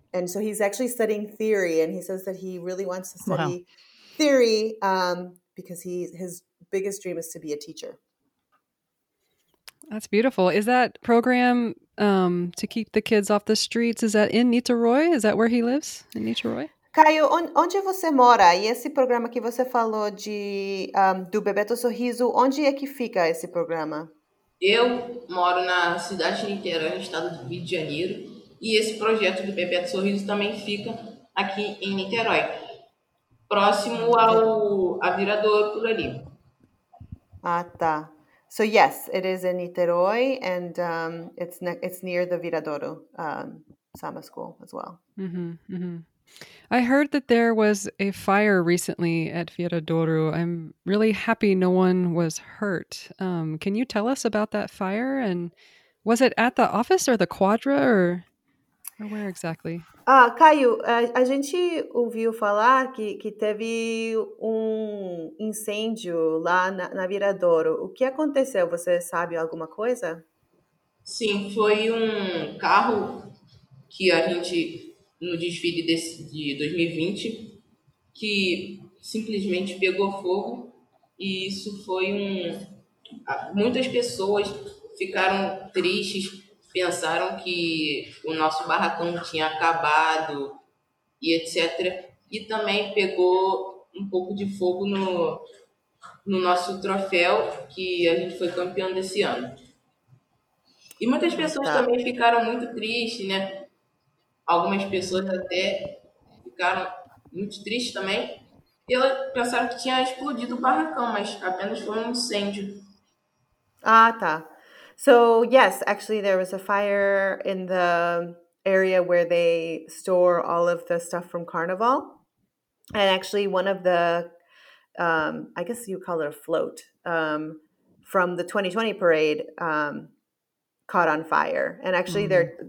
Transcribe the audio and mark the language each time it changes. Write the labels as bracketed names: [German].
[English] And so he's actually studying theory, and he says that he really wants to study theory because his biggest dream is to be a teacher. That's beautiful. Is that program to keep the kids off the streets, is that in Niterói? Is that where he lives, in Niterói? [Portuguese] Caio, onde você mora? E esse programa que você falou de do Bebeto Sorriso, onde é que fica esse programa? Eu moro na cidade de Niterói, no estado do Rio de Janeiro. E esse projeto do Bebeto Sorriso também fica aqui em Niterói, próximo a Viradouro, por ali. Ah, tá. [English] So, yes, it is in Niterói, and it's near the Viradouro Samba School as well. Mm-hmm, mm-hmm. I heard that there was a fire recently at Viradouro. I'm really happy no one was hurt. Can you tell us about that fire? And was it at the office or the quadra or where exactly? [Portuguese] Caio, a gente ouviu falar que teve incêndio lá na Viradouro. O que aconteceu? Você sabe alguma coisa? Sim, foi carro que a gente, no desfile de 2020, que simplesmente pegou fogo. E isso foi muitas pessoas ficaram tristes. Pensaram que o nosso barracão tinha acabado e etc. E também pegou um pouco de fogo no nosso troféu, que a gente foi campeão desse ano. E muitas pessoas também ficaram muito tristes, né? Algumas pessoas até ficaram muito tristes também. E elas pensaram que tinha explodido o barracão, mas apenas foi um incêndio. Ah, tá. [English] So, yes, actually, there was a fire in the area where they store all of the stuff from Carnival. And actually, one of the, I guess you call it a float, from the 2020 parade caught on fire. And actually, mm-hmm.